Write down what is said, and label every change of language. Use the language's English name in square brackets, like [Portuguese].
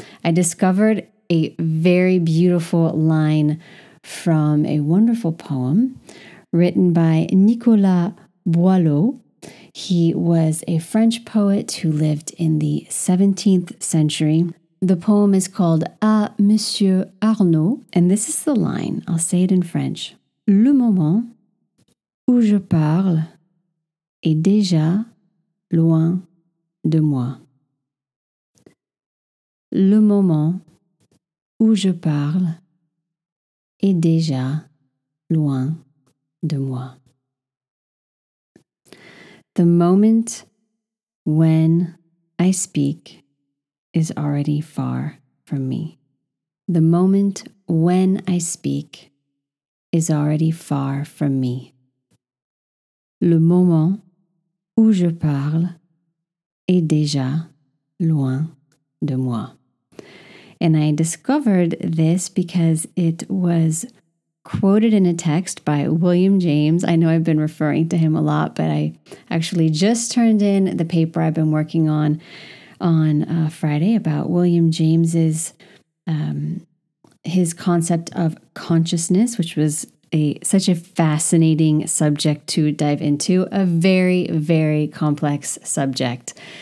[English] I discovered a very beautiful line from a wonderful poem written by Nicolas Boileau. He was a French poet who lived in the 17th century. The poem is called À Monsieur Arnaud, and this is the line. I'll say it in French. [French] Le moment où je parle est déjà loin de moi. Le moment où je parle est déjà loin de moi. [English] The moment when I speak is already far from me. The moment when I speak is already far from me. [French] Le moment où je parle est déjà loin de moi. [English] And I discovered this because it was quoted in a text by William James. I know I've been referring to him a lot, but I actually just turned in the paper I've been working on Friday about William James's his concept of consciousness, which was such a fascinating subject to dive into, a very, very complex subject.